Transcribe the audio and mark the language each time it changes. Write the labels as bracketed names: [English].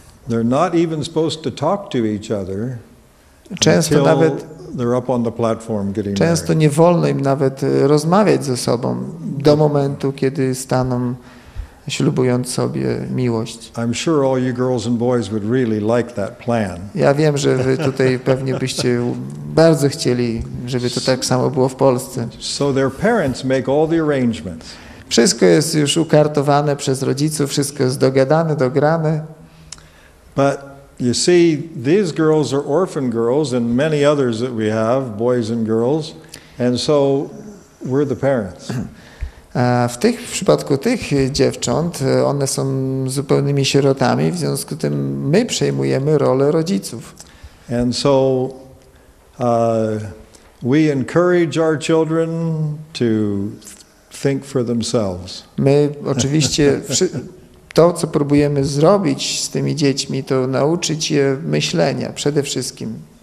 [English] They're not even supposed to talk to each other. [Polish] Często nawet [English] they're up on the platform getting married. [Polish] Często nie wolno im nawet rozmawiać ze sobą do momentu, kiedy staną ślubując sobie miłość. [English] I'm sure all you girls and boys would really like that plan. [Polish] Ja wiem, że wy tutaj pewnie byście bardzo chcieli, żeby to tak samo było w Polsce. [English] So their parents make all the arrangements. [Polish] Wszystko jest już ukartowane przez rodziców, wszystko jest dogadane, dograne. [English] But you see, these girls are orphan girls and many others that we have, boys and girls, and so we're the parents. [Polish] W tych w przypadku tych dziewcząt, one są zupełnymi sierotami, w związku z tym my przejmujemy rolę rodziców. [English] And so we encourage our children to think for themselves. [Polish] My oczywiście to, co próbujemy zrobić z tymi dziećmi, to nauczyć je myślenia przede wszystkim.